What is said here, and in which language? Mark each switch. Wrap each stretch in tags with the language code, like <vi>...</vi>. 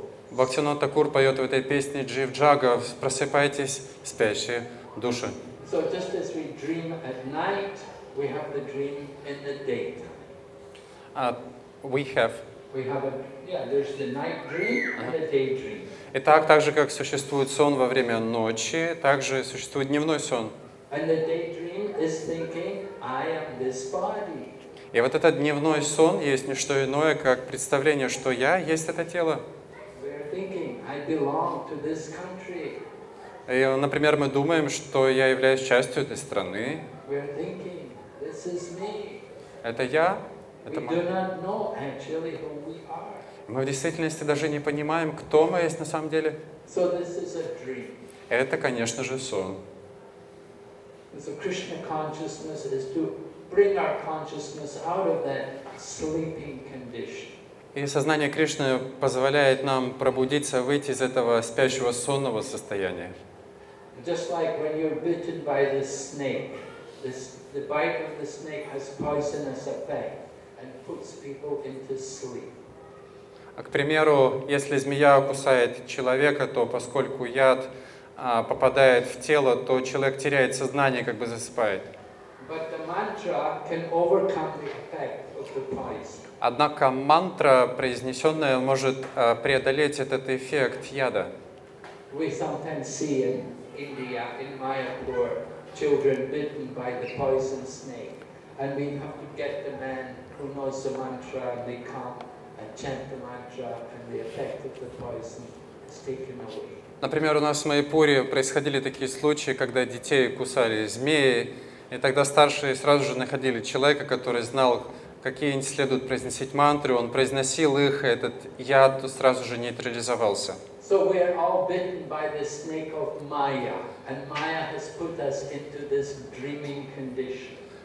<ru>Бхактивинод Такур поет в этой песне «Джив Джага», «Просыпайтесь, спящие души».</ru> <en>So just as we dream at night, we have the dream in the daytime. There's the night dream and the day dream.</en> <ru>Итак, так же, как существует сон во время ночи, так же существует дневной сон.</ru> <en>And the daydream is thinking, I am this body.</en> <ru>И вот этот дневной сон есть не что иное, как представление, что я есть это тело.</ru> <en>We're thinking, I belong to this country.</en> <ru>И, например, мы думаем, что я являюсь частью этой страны.</ru> <en>We're thinking, this is me.</en> <ru>Это я. Это мы.</ru> <en>We do not know actually who we are.</en> <ru>Мы в действительности даже не понимаем, кто мы есть на самом деле.</ru> <en>So this is a dream.</en> <ru>Это, конечно же, сон.</ru> <en>So Krishna consciousness is to bring our consciousness out of that sleeping condition.</en> <ru>И сознание Кришны позволяет нам пробудиться, выйти из этого спящего сонного состояния.</ru> <en>Just like when you're bitten by the snake, the bite of the snake has poisonous effect and puts people into sleep.</en> <ru>А, к примеру, если змея кусает человека, то поскольку яд попадает в тело, то человек теряет сознание, как бы засыпает.</ru> <en>But the mantra can overcome the effect of the poison.</en> <ru>Однако мантра, произнесенная, может преодолеть этот эффект яда.</ru> <en>We sometimes see in India, in Mayapur, children bitten by the poison snake, and we have to get the man who knows the mantra, and they come and chant the mantra, and the effect of the poison is taken away.</en> <ru>Например, у нас в Майпуре происходили такие случаи, когда детей кусали змеи, и тогда старшие сразу же находили человека, который знал, какие следует произнести мантры, он произносил их, и этот яд сразу же нейтрализовался.</ru> <en>So we are all bitten by the snake of Maya, and Maya has put us into this dreaming condition.</en>